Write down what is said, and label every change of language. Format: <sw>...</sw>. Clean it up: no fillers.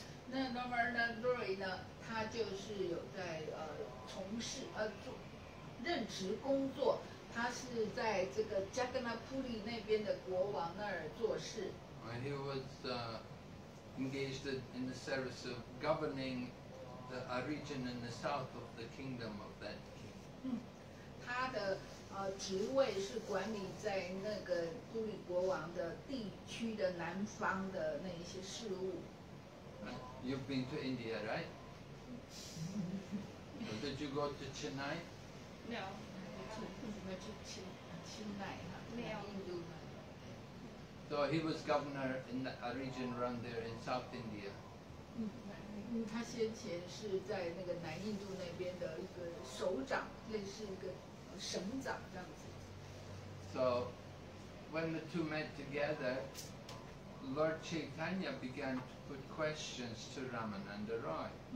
<zh>那 Ramananda Rai 呢，他就是有在从事做任职工作，他是在这个 Jagannath Puri 那边的国王那儿做事。</zh> <en>And he was. Engaged in the service of governing a region in the south of the kingdom of that king.</en> <zh>他的职位是管理在那个布里国王的地区的南方的那一些事务。</zh> <en>You've been to India, right? Did you go to Chennai? No.</en> <zh>为什么去Chennai 呢？没有印度吗？</zh> <en>So he was governor in a region around there in South India.</en> <zh>他先前是在那个南印度那边的一个首长，类似一个省长这样子。</zh> <en>So when the two met together, Lord Chaitanya began to put questions to Ramananda Roy.</en>